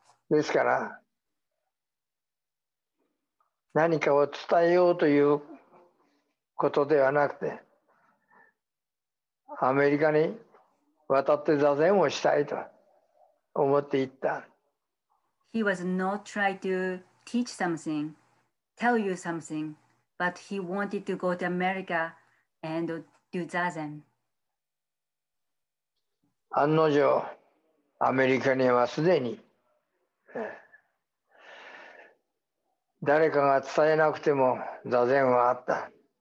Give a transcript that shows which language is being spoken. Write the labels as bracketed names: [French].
[Japanese] ですから、何かを伝えようということではなくて、アメリカに渡って座禅をしたいと思っていった。 [English] He was not trying to teach something, tell you something, but he wanted to go to America and do zazen. [Japanese] 案の定, アメリカにはすでに誰かが伝えなくても座禅はあった。